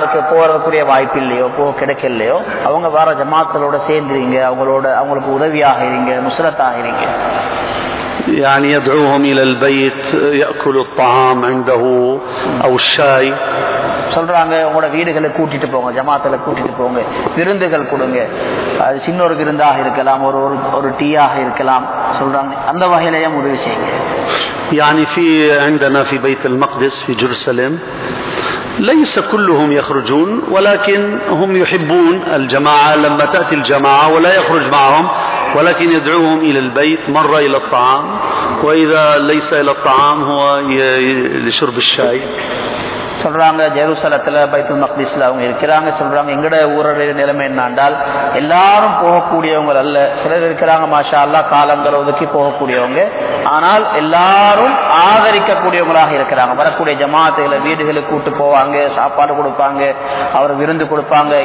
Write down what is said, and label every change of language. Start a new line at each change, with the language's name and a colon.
Tamil: போறதுக்குரிய வாய்ப்பு இல்லையோ, போக கிடைக்கலையோ, அவங்க வர ஜமாத்தலோட சேர்ந்துறீங்க, அவங்களோட அவங்களுக்கு உதவியாக இருங்க, நுஸ்ரத் ஆகிறீங்க.
Arabic: يعني يدعوهم الى البيت ياكل الطعام عنده او الشاي
Tamil: சொல்றாங்க. உங்களோட வீடுகளை கூட்டிட்டு போங்க, ஜமாத்துல கூட்டிட்டு போங்க, விருந்துகள் கொடுங்க. அது சின்ன ஒரு விருந்தாக இருக்கலாம், ஒரு ஒரு டீயாக இருக்கலாம் சொல்றாங்க. அந்த வகையிலேயே முடிவு செய்யுங்க.
Arabic: يعني في عندنا في بيت المقدس في جرسلم ليس كلهم يخرجون، ولكن هم يحبون الجماعة لما تأتي الجماعة ولا يخرج معهم، ولكن يدعوهم إلى البيت مرة إلى الطعام، وإذا ليس إلى الطعام هو لشرب الشاي.
Tamil: சொல்றாங்க ஜெருசலத்துல பைத்துல் மக்தீஸ்ல அவங்க இருக்கிறாங்க. சொல்றாங்க எங்கட ஊரடைய நிலைமை என்னண்டால் எல்லாரும் போகக்கூடியவங்க அல்ல, சிலர் இருக்கிறாங்க மாஷா அல்லாஹ் காலங்கிறதுக்கு போகக்கூடியவங்க, ஆனால் எல்லாரும் ஆதரிக்கக்கூடியவங்களாக இருக்கிறாங்க. வரக்கூடிய ஜமாத்துல வீடுகளுக்கு கூட்டு போவாங்க, சாப்பாடு கொடுப்பாங்க, அவர் விருந்து கொடுப்பாங்க.